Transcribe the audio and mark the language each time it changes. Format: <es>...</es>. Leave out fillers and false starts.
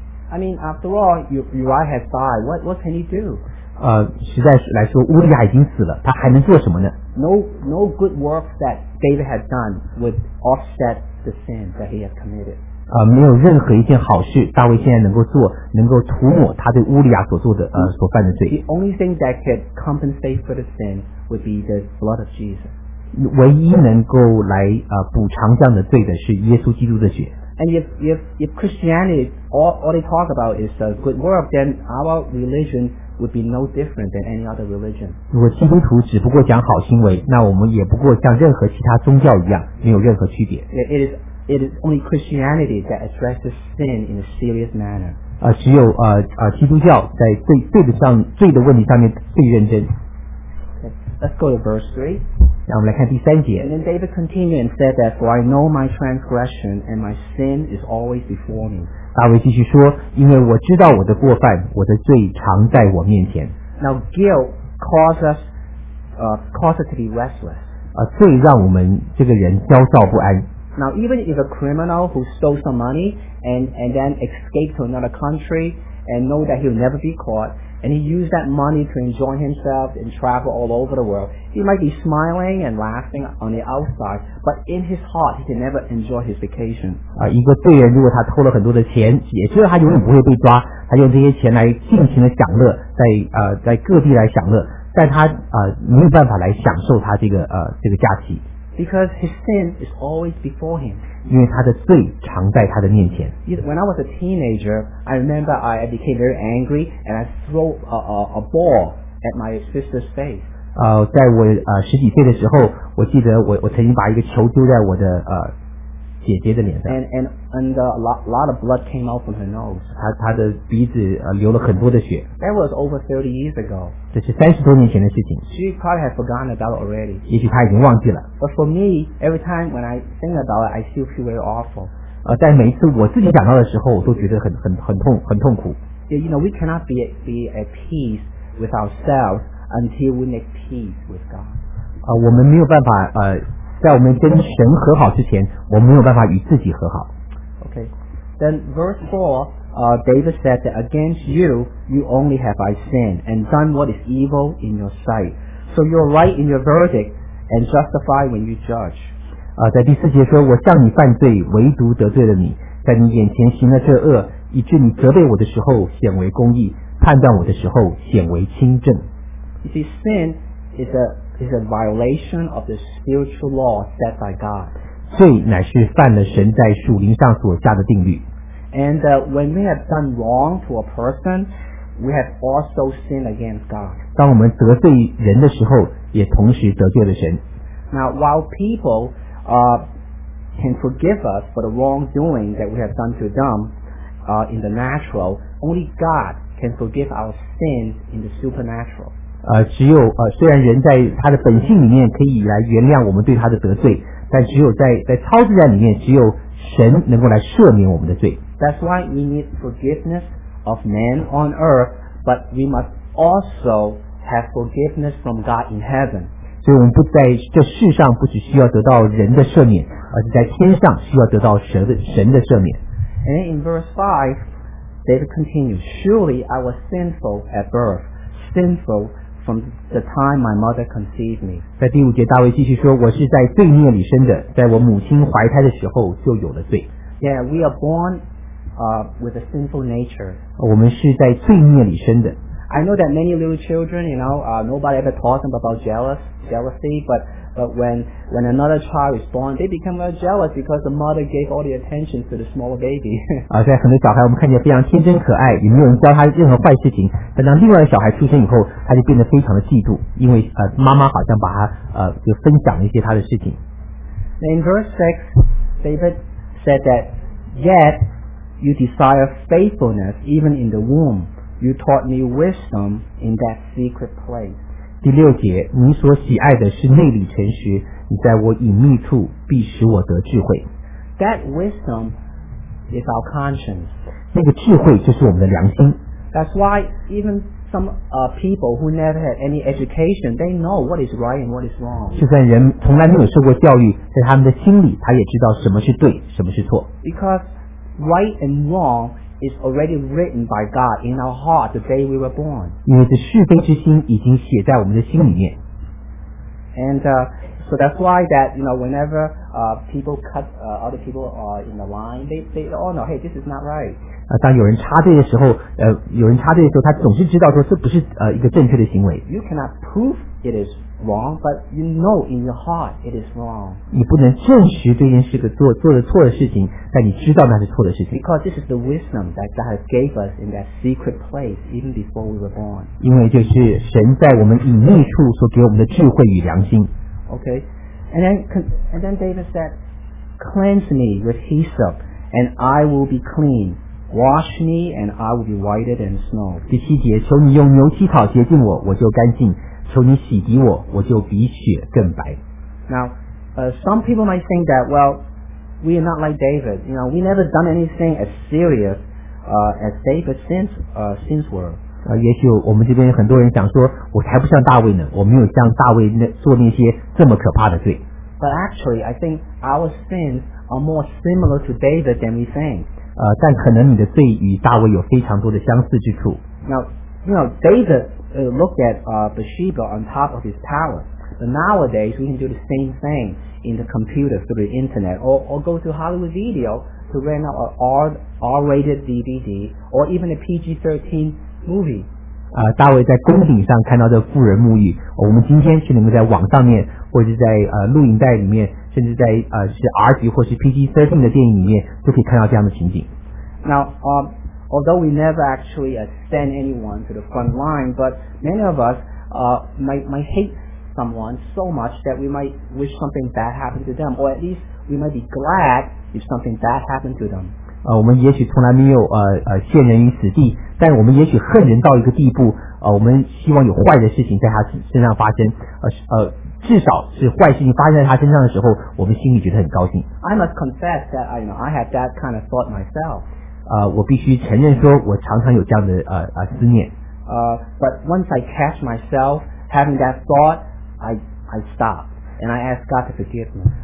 <en>I mean, after all, Uriah has died. What can he do?</en> <zh>实在来说，乌利亚已经死了，他还能做什么呢？</zh> <en>No good works that David had done would offset the sin that he had committed.</en> <zh>没有任何一件好事大卫现在能够做，能够涂抹他对乌利亚所做的所犯的罪。</zh> <en>The only thing that could compensate for the sin would be the blood of Jesus.</en> <zh>唯一能够来补偿这样的罪的是耶稣基督的血。</zh> <en>And if Christianity all they talk about is a good work, then our religion would be no different than any other religion.</en> <zh>如果基督徒只不过讲好行为，那我们也不过像任何其他宗教一样，没有任何区别。</zh> <en>It is only Christianity that addresses sin in a serious manner.</en> <zh>只有基督教在罪的问题上面最认真。</zh> <en>Let's go to verse 3.</en> <zh>那我们来看第三节。</zh> <en>And then David continued and said that, "For I know my transgression, and my sin is always before me."</en> <zh>大卫继续说，因为我知道我的过犯，我的罪常在我面前。</zh> <en>Now guilt causes us to be restless.</en> <zh>罪让我们这个人焦躁不安。</zh> <en>Now even if a criminal who stole some money and then escaped to another country and know that he'll never be caught. And he used that money to enjoy himself and travel all over the world. He might be smiling and laughing on the outside, but in his heart, he can never enjoy his vacation.</en> <zh>一个罪人如果他偷了很多的钱，也就是他永远不会被抓。他用这些钱来尽情的享乐，在各地来享乐，但他没有办法来享受他这个假期。</zh> <en>Because his sin is always before him.</en> <zh>因为他的罪常在他的面前。</zh> <en>When I was a teenager, I remember I became very angry and I threw a ball at my sister's face.</en> <zh>在我十几岁的时候，我记得我曾经把一个球丢在我的姐姐的脸上。</zh> <en>And a lot of blood came out from her nose.</en> <zh>她的鼻子流了很多的血。</zh> <en>That was over 30 years ago.</en> <zh>这是三十多年前的事情。</zh> <en>She probably had forgotten about it already.</en> <zh>也许她已经忘记了。</zh> <en>But for me, every time when I think about it, I still feel very awful.</en> <zh>在每一次我自己想到的时候，我都觉得很痛苦。</zh> <en>Yeah, you know, we cannot be at peace with ourselves until we make peace with God.</en> <zh>我们没有办法在我们跟神和好之前，我们没有办法与自己和好。</zh> <en>Okay, then verse 4, David said that against you only have I sinned and done what is evil in your sight. So you're right in your verdict and justified when you judge.</en> <zh>在第四节说，我向你犯罪，唯独得罪了你，在你眼前行了这恶，以致你责备我的时候显为公义，判断我的时候显为清正。</zh> <en>You see, sin is a violation of the spiritual law set by God.</en> <zh>罪乃是犯了神在属灵上所下的定律。</zh> <en>And when we have done wrong to a person, we have also sinned against God.</en> <zh>当我们得罪人的时候，也同时得罪了神。</zh> <en>Now, while people can forgive us for the wrongdoing that we have done to them in the natural, only God can forgive our sins in the supernatural.</en> <zh>虽然人在他的本性里面可以来原谅我们对他的得罪，但只有在超自然里面，只有神能够来赦免我们的罪。</zh> <en>That's why we need forgiveness of man on earth, but we must also have forgiveness from God in heaven.</en> <zh>所以我们不在这世上不只需要得到人的赦免，而是在天上需要得到神的赦免。</zh> <en>And in verse 5, David continues, "Surely I was sinful at birth, sinful." From the time my mother conceived me.</en> <zh>在第五节，大卫继续说：“我是在罪孽里生的，在我母亲怀胎的时候就有了罪。”</zh> <en>Yeah, we are born with a sinful nature.</en> <zh>我们是在罪孽里生的。</zh> <en>I know that many little children, you know, nobody ever taught them about jealousy, but when another child is born, they become very jealous because the mother gave all the attention to the smaller baby.</en> <zh>在很多小孩我们看见非常天真可爱，也没有人教他任何坏事情，但当另外的小孩出生以后，他就变得非常的嫉妒，因为妈妈好像把他就分享了一些他的事情。</zh> <en>In verse 6, David said that, yet you desire faithfulness even in the womb. You taught me wisdom in that secret place.</en> <zh>第六节，你所喜爱的是内里诚实，你在我隐秘处必使我得智慧。</zh> <en>That wisdom is our conscience.</en> <zh>那个智慧就是我们的良心。</zh> <en>That's why even some people who never had any education, they know what is right and what is wrong.</en> <zh>就算人从来没有受过教育，在他们的心里，他也知道什么是对，什么是错。</zh> <en>Because right and wrong is already written by God in our heart the day we were born.</en> <zh>因为这是非之心已经写在我们的心里面。</zh> <en>And so that's why that, you know, whenever people cut other people in the line, they all know, hey, this is not right.</en> <zh>当有人插队的时候，有人插队的时候，他总是知道说这不是一个正确的行为。</zh> <en>You cannot prove it is wrong, but you know in your heart it is wrong.</en> <zh>你不能证实这件事做了错的事情，但你知道那是错的事情。</zh> <en>Because this is the wisdom that God has gave us in that secret place even before we were born.</en> <zh>因为就是神在我们隐秘处所给我们的智慧与良心。</zh> <en>Okay, and then David said, "Cleanse me with hyssop, and I will be clean." Wash me and I will be whiter than snow.</en> <zh>第七节，求你用牛膝草洁净我，我就干净；求你洗涤我，我就比雪更白。</zh> <en>Now, some people might think that, well, we are not like David. You know, we never done anything as serious as David since were.</en> <zh>也许我们这边很多人想说，我才不像大卫呢，我没有像大卫那做那些这么可怕的罪。</zh> <en>But actually, I think our sins are more similar to David than we think.</en> <zh>但可能你的罪与大卫有非常多的相似之处。</zh> <en>Now, you know, David looked at Bathsheba on top of his tower. But nowadays, we can do the same thing in the computer through the internet, or go to Hollywood Video to rent out an R-rated DVD, or even a PG-13 movie.</en> <zh>大卫在宫顶上看到的富人沐浴，我们今天是能够在网上面，或者在录影带里面。甚至在是 R 级或是 PG-13 的电影里面都可以看到这样的情景。</zh> <en>Now, although we never actually send anyone to the front line, but many of us might hate someone so much that we might wish something bad happened to them, or at least we might be glad if something bad happened to them.</en> <zh>我们也许从来没有陷人于死地，但我们也许恨人到一个地步，我们希望有坏的事情在他身上发生，至少是坏事情发生在他身上的时候，我们心里觉得很高兴。</zh> <en>I must confess that I, you know, I have that kind of thought myself.</en> <zh>我必须承认说，我常常有这样的思念。</zh> <en>But once I catch myself having that thought, I stop and I ask God to forgive me.</en>